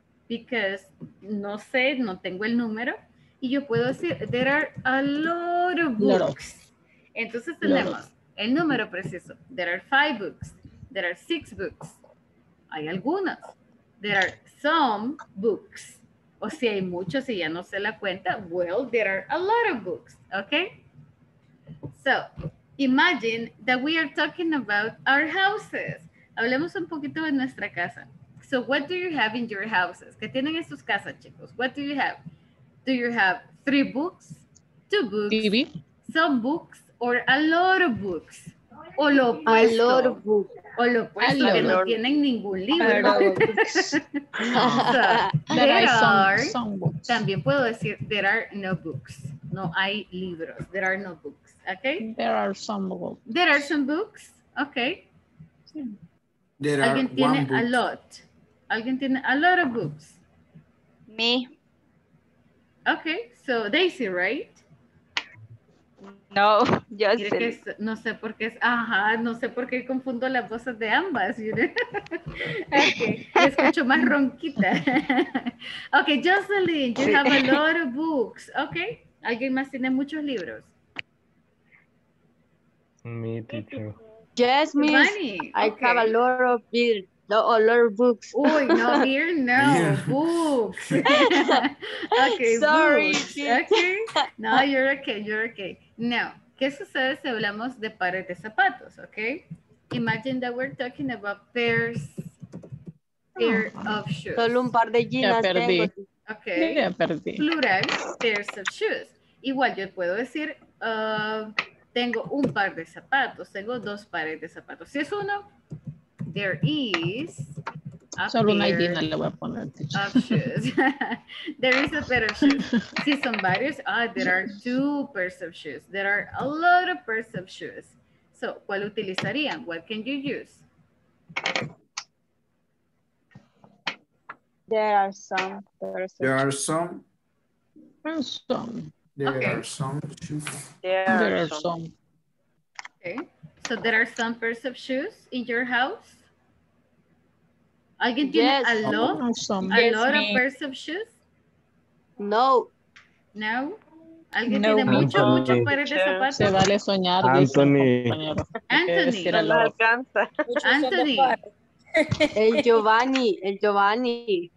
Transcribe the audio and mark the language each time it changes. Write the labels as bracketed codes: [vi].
[es] Because, no sé, no tengo el número. Y yo puedo decir, [en] there are a lot of books. [es] Entonces tenemos el número preciso. [en] There are 5 books. There are 6 books. [es] Hay algunas. [en] There are some books. [es] O si hay muchos y ya no sé la cuenta. [en] Well, there are a lot of books. Okay? So, imagine that we are talking about our houses. [es] Hablemos un poquito de nuestra casa. [en] So what do you have in your houses? [es] ¿Qué tienen en sus casas, chicos? [en] What do you have? Do you have 3 books? 2 books? TV. Some books or a lot of books? [es] O lo opuesto. [en] A lot of books. [es] O lo opuesto, que no tienen ningún libro. [en] A lot of books. So, there are some books. [es] También puedo decir, [en] there are no books. [es] No hay libros. [en] There are no books. Okay? There are some books. There are some books. Okay. There are [es] alguien tiene [en] one a lot. [es] Alguien tiene [en] a lot of books. Me. Okay, so Daisy, right? No, just [es] es que es, no sé por qué es, ajá, no sé por qué confundo las voces de ambas. [en] You know? [es] Okay, escucho más ronquita. [en] Okay, Jocelyn, you have a lot of books. [es] Okay, alguien más tiene muchos libros. [en] Me, teacher. Yes, miss. Okay. I have a lot of books. No, a lot of books. Uy, no, here, no, books. Okay, sorry. Books. Okay. No, you're okay, you're okay. [es] Now, ¿qué sucede si hablamos de pares de zapatos, okay? [en] Imagine that we're talking about pairs, pair of shoes. [es] Solo un par de jeans. Ya perdí. Tengo. [en] Okay. [es] Ya perdí. [en] Plural, pairs of shoes. [es] Igual yo puedo decir, tengo un par de zapatos, tengo dos pares de zapatos. Si es uno, [en] there is [es] a solo una idea le voy a poner. [en] Of shoes. There is a pair of shoes. [es] Si son varios, [en] there are 2 pairs of shoes. There are a lot of pairs of shoes. So, [es] ¿cuál utilizarían? [en] What can you use? There are some persons. There are some. There are some shoes. There are some. Okay. So there are some pairs of shoes in your house? [es] Alguien tiene [en] a lot, of pairs of shoes? No. [es] No? Alguien tiene muchos pares de zapatos. Se vale soñar. Anthony. Anthony. El Giovanni.